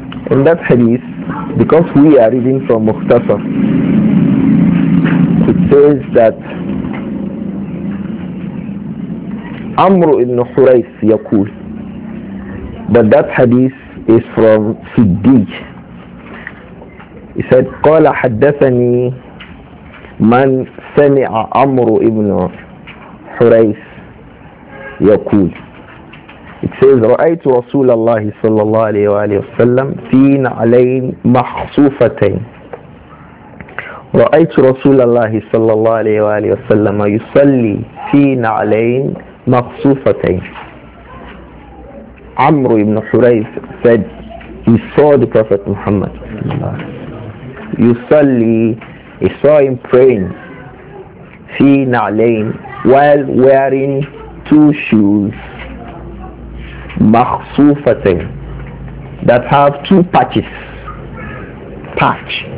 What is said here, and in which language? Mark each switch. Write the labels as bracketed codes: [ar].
[en] In that hadith, because we are reading from Mukhtasar, it says that Amr ibn Khurais yaqul, but that hadith is from Siddiq. He said, [ar] قال حدثني من سمع عمرو ابن حريث يقول. [en] It says, [ar] رأيت رسول الله صلى الله عليه وآله وسلم في نعلين مخصوفتين. رأيت رسول الله صلى الله عليه وآله وسلم يصلي في نعلين مخصوفتين. [en] عمرو ابن حريث said, he saw the Prophet Muhammad [ar] صلى الله عليه وسلم. [en] Yusalli, he saw him praying fi na'lain while wearing two shoes makhsufatain that have two patches. Patch.